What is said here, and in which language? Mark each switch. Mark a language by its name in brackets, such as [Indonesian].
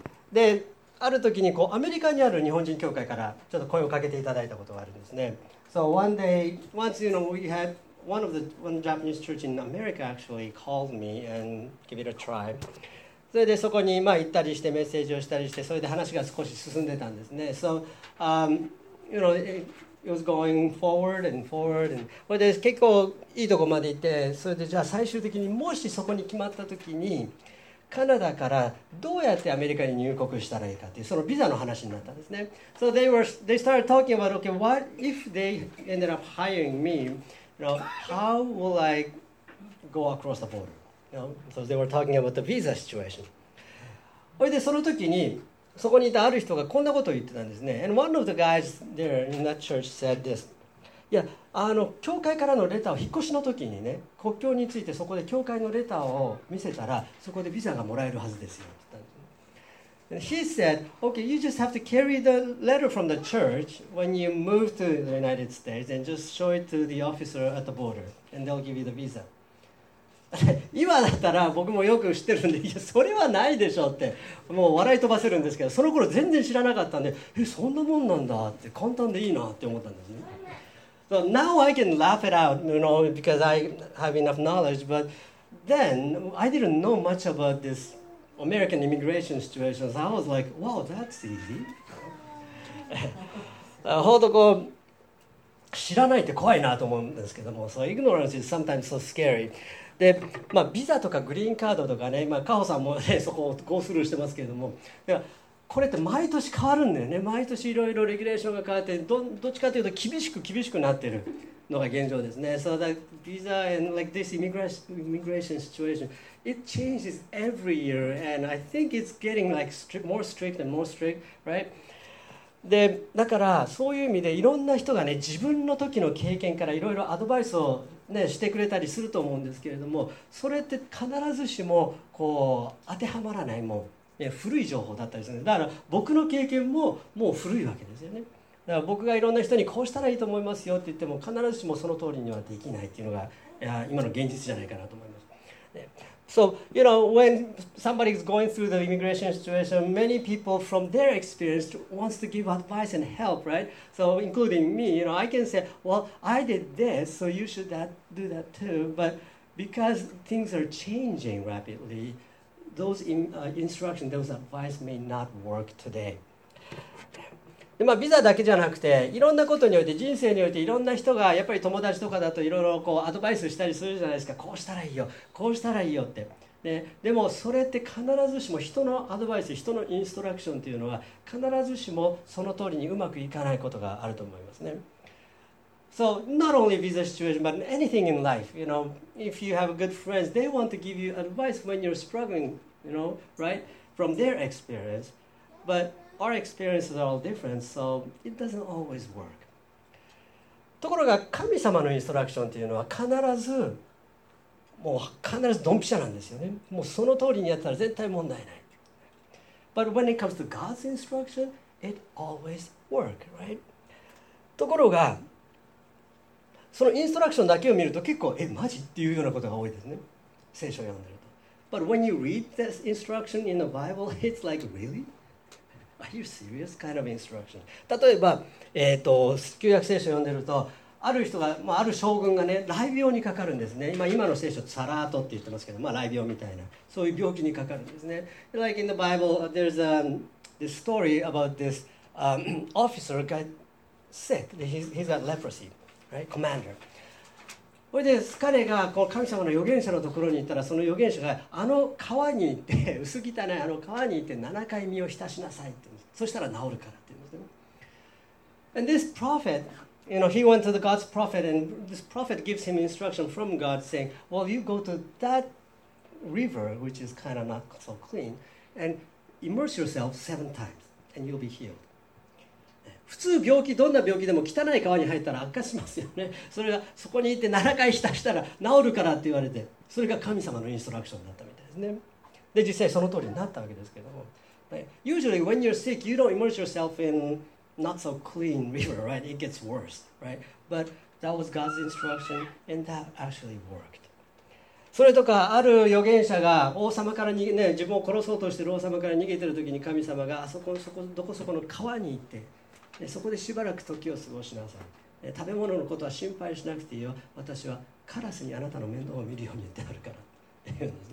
[Japanese] で、ある時にこうアメリカにある日本人教会からちょっと声をかけていただいたことがあるんですね。 [English] So one day, once you know, we had one Japanese church in America actually called me and give it a try. [Japanese] それでそこにまあ行ったりしてメッセージをしたりして、それで話が少し進んでたんですね。 [English] So, you know, it was going forward and [Japanese] forward and それで結構いいとこまで行って、それでじゃあ最終的にもしそこに決まった時にカナダからどうやってアメリカに入国したらいいかっていう、そのビザの話になったんですね。 [English] So they started talking about, okay, what if they ended up hiring me, you know, how will I go across the border, you know? So they were talking about the visa situation. [Japanese] それでその時にそこにいたある人がこんなことを言ってたんですね。 [English] And one of the guys there in that church said this. [Japanese] いや、教会からのレターを引っ越しの時にね、国境についてそこで教会のレターを見せたら、そこでビザがもらえるはずですよ。って言ったんですね。 [English] And he said, okay, you just have to carry the letter from the church when you move to the United States and just show it to the officer at the border and they'll give you the visa. [Japanese] 今だったら僕もよく知ってるんで、いやそれはないでしょってもう笑い飛ばせるんですけど、その頃全然知らなかったんで、えそんなもんなんだって、簡単でいいなって思ったんですね。 [English] So now I can laugh it out, you know, because I have enough knowledge, but then I didn't know much about this American immigration situation, so I was like, wow, that's easy. [Japanese] ほんとこう知らないって怖いなと思うんですけども、 [English] So ignorance is sometimes so scary [Japanese] で、まあ、ビザとかグリーンカードとかね、まあ、カホさんも、ね、そこをゴースルーしてますけれども、でこれって毎年変わるんだよね。毎年いろいろレギュレーションが変わって、 どっちかというと厳しくなってるのが現状ですね。 [English] So that visa and like this immigration situation, it changes every year and I think it's getting like more strict and more strict, right? [Japanese] でだからそういう意味でいろんな人がね、自分の時の経験からいろいろアドバイスを、ね、してくれたりすると思うんですけれども、それって必ずしもこう当てはまらないもん、いや古い情報だったりするんです。だから僕の経験ももう古いわけですよね。だから僕がいろんな人にこうしたらいいと思いますよって言っても、必ずしもその通りにはできないっていうのが、いや今の現実じゃないかなと思います。 [English] ね、So, you know, when somebody is going through the immigration situation, many people from their experience wants to give advice and help, right? So, including me, you know, I can say, well, I did this, so you should do that too. But because things are changing rapidly, those instructions, those advice may not work today. [Japanese] で、まあ、ビザだけじゃなくて、いろんなことにおいて、人生においていろんな人がやっぱり友達とかだといろいろこうアドバイスしたりするじゃないですか。こうしたらいいよ、こうしたらいいよって。ね、でもそれって必ずしも人のアドバイス、人のインストラクションというのは必ずしもその通りにうまくいかないことがあると思いますね。 [English] So not only visa situation, but anything in life. You know, if you have good friends, they want to give you advice when you're struggling, you know, right? From their experience. ButOur experiences are all different, so it doesn't always work. [Japanese] ところが神様のインストラクションというのは必ずもう必ずドンピシャなんですよね。もうその通りにやったら絶対問題ない。 [English] But when it comes to God's instruction, it always works, right? [Japanese] ところがそのインストラクションだけを見ると結構え、マジ? っていうようなことが多いですね。聖書を読んでると。 [English] But when you read this instruction in the Bible, it's like, really? Are you serious kind of instruction? [Japanese] 例えば、旧約聖書を読んでると、ある人が、まあ、ある将軍がね、雷病にかかるんですね。今の聖書、サラートって言ってますけど、まあ、雷病みたいな、そういう病気にかかるんですね。 [English] Like in the Bible, there's this story about this officer got sick. He's got leprosy, right? Commander. [Japanese] それで彼がこの神様の預言者のところに行ったら、その預言者があの川に行って薄汚いあの川に行って7回身を浸しなさいって言うんです。そしたら治るからって言うんですね。 [English] And this prophet, you know, he went to the God's prophet and this prophet gives him instruction from God saying, well, you go to that river which is kind of not so clean and immerse yourself 7 times and you'll be healed. [Japanese] 普通病気、どんな病気でも汚い川に入ったら悪化しますよね。それがそこにいて7回浸したら治るからって言われて、それが神様のインストラクションだったみたいですね。で、実際その通りになったわけですけども。 [English] Usually when you're sick, you don't immerse yourself in not so clean river, right? It gets worse, right? But that was God's instruction and that actually worked. [Japanese] それとか、ある預言者が王様から逃げ、ね、自分を殺そうとしている王様から逃げているときに神様があそこそこどこそこの川に行って、そこでしばらく時を過ごしなさい。食べ物のことは心配しなくていいよ。私はカラスにあなたの面倒を見るようにってあるから。